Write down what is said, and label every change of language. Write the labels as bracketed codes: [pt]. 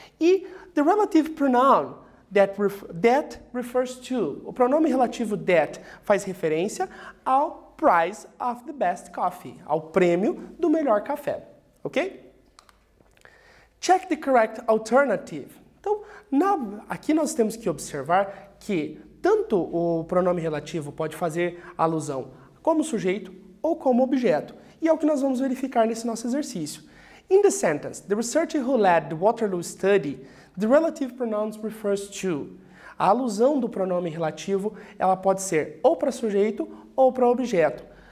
[pt] E [en] the relative pronoun that refers to, [pt] o pronome relativo that faz referência ao [en] prize of the best coffee, [pt] ao prêmio do melhor café, ok? [en] Check the correct alternative. [pt] Então, aqui nós temos que observar que tanto o pronome relativo pode fazer alusão como sujeito ou como objeto. E é o que nós vamos verificar nesse nosso exercício. [en] In the sentence, the researcher who led the Waterloo study, the relative pronouns refers to. [pt] A alusão do pronome relativo, ela pode ser ou para sujeito ou para objeto.